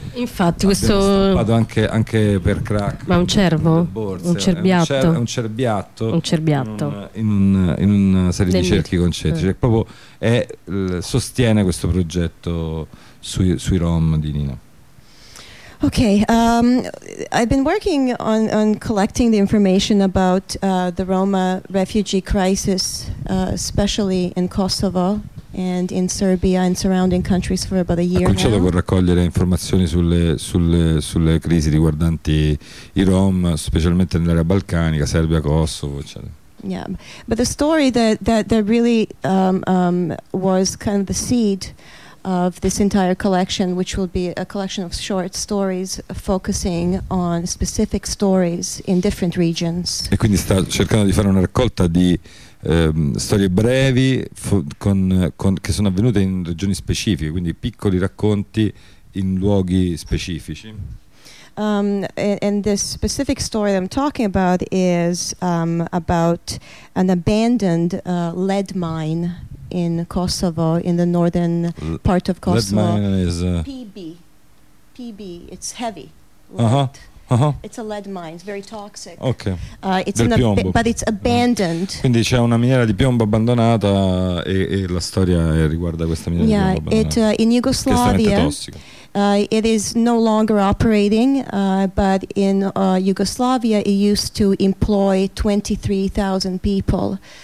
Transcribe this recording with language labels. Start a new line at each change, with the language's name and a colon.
Italian: infatti abbiamo stampato anche per Crack. Ma un cervo? Un cerbiatto. In una serie di cerchi concentrici. Proprio sostiene questo progetto sui Rom di Nina.
English: Okay, I've been working on collecting the information about the Roma refugee crisis, especially in Kosovo and in Serbia and surrounding countries for about a year.
Italian: Cominciato con raccogliere informazioni sulle crisi riguardanti i Rom, specialmente nell'area balcanica, Serbia, Kosovo, eccetera.
English: Yeah, but the story that really was kind of the seed of this entire collection, which will be a collection of short stories focusing on specific stories in different regions.
Italian: E quindi sta cercando di fare una raccolta di storie brevi che sono avvenute in regioni specifiche, quindi piccoli racconti in luoghi specifici.
English: And this specific story that I'm talking about is about an abandoned lead mine in Kosovo, in the northern part of Kosovo. Lead mine is PB, it's heavy lead. It's a lead mine, it's very toxic. Okay. It's del piombo. But it's abandoned.
Italian: Quindi c'è una miniera di piombo abbandonata e la storia riguarda questa miniera di piombo abbandonata.
English: In Yugoslavia, it is no longer operating, but in Yugoslavia it used to employ 23,000 people.